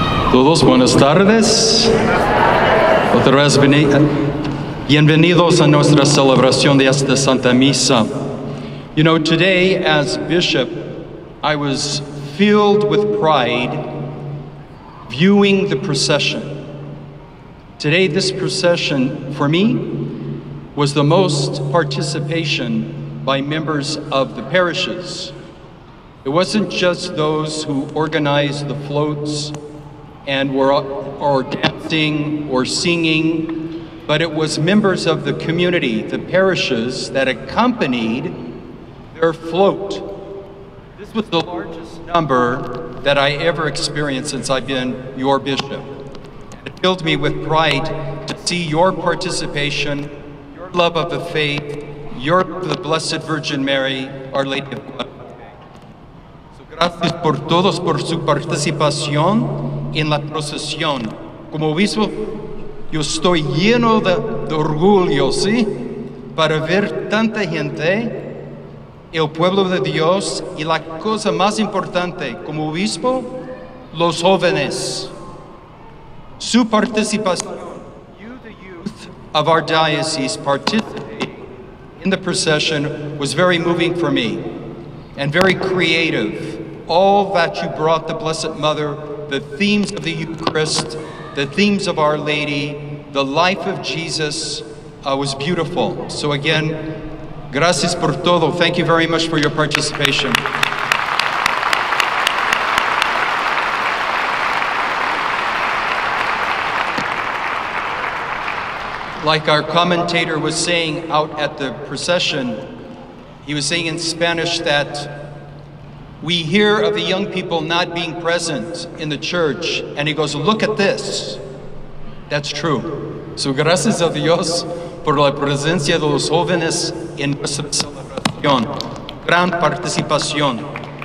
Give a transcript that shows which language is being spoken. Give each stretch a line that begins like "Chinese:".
Spanish: Todos buenas tardes. Otra vez bienvenidos a nuestra celebración de esta Santa Misa.
English: You know, today as bishop, I was filled with pride viewing the procession. Today, this procession, for me, was the most participation by members of the parishes. It wasn't just those who organized the floats and were or dancing or singing, but it was members of the community, the parishes, that accompanied their float. This was the largest number that I ever experienced since I've been your bishop. It filled me with pride to see your participation, your love of the faith, your love of the Blessed Virgin Mary, Our Lady of Guadalupe.
Spanish: Gracias por todos por su participación en la procesión. Como obispo, yo estoy lleno de orgullo, ¿sí? Para ver tanta gente, el pueblo de Dios, y la cosa más importante, como obispo, los jóvenes. Su participación,
English: you, the youth of our diocese, participating in the procession was very moving for me and very creative. All that you brought the Blessed Mother, the themes of the Eucharist, the themes of Our Lady, the life of Jesus was beautiful. So again,
Spanish: gracias por todo.
English: Thank you very much for your participation. Like our commentator was saying out at the procession, he was saying in Spanish that we hear of the young people not being present in the church, and he goes, look at this. That's true.
Spanish: So gracias a Dios por la presencia de los jóvenes en nuestra celebración. Gran participación.